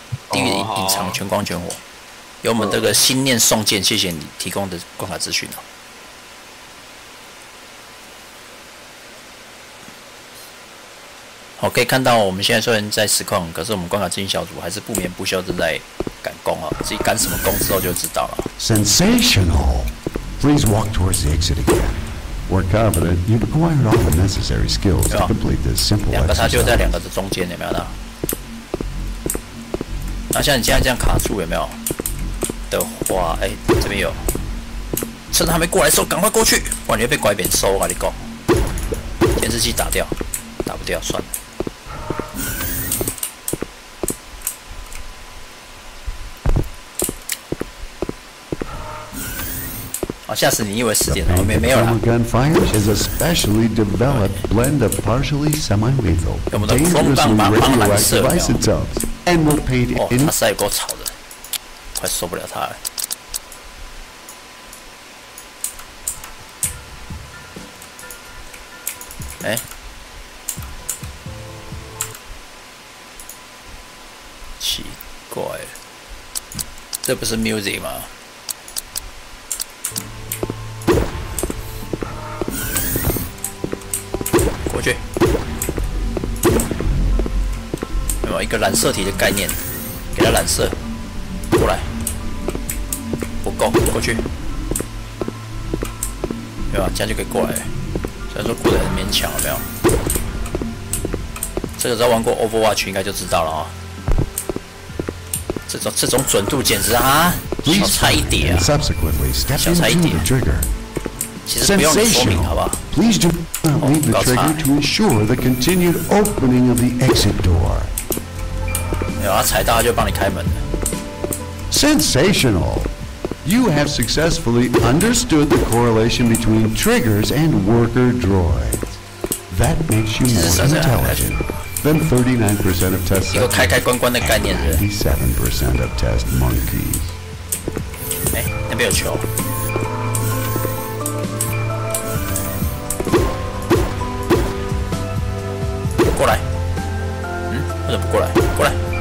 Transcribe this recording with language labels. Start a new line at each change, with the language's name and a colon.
Chinese: 地狱隐藏全光全火，有我们这个心念送件，谢谢你提供的关卡资讯哦。我可以看到，我们现在虽然在实况，可是我们关卡资讯小组还是不眠不休正在赶工啊！自己赶什么工之后就知道了。
English: Sensational! Please walk towards the exit again. We're confident you've acquired all the necessary skills to complete this simple exercise.
Chinese: 两个，它就在两个的中间，有没有呢？那像你现在这样卡住，有没有？的话，哎，这边有，趁他没过来的时候，赶快过去，不然你会被拐扁收。我跟你讲，监视器打掉，打不掉，算了。吓死你！以为死点了，没有了。
English: Chroma Gun fires is a specially developed blend of partially semi-lethal, dangerous radioactive isotopes, and will paint it in.
Chinese: 哦，他塞够吵的，快受不了他了。哎，奇怪，这不是 music 吗？一个染色体的概念，给它染色过来，不够过去，对吧？这样就可以过来了。虽然说过得很勉强，有没有？这个只要玩过 Overwatch 应该就知道了啊、哦。这种准度简直啊，小菜一碟啊，小菜一碟。其实不用你说明，好不好？
English: Please do not leave the trigger to ensure the continued opening of the exit door.
Chinese: 有啊，踩到他就帮你开门。
English: Sensational! You have successfully understood the correlation between triggers and worker droids. That makes you more intelligent than 39% of test subjects.
Chinese: 一个开开关关的概念是。
English: 97% of test monkeys.
Chinese: 哎，那边有球。过来。嗯，为什么不过来？过来。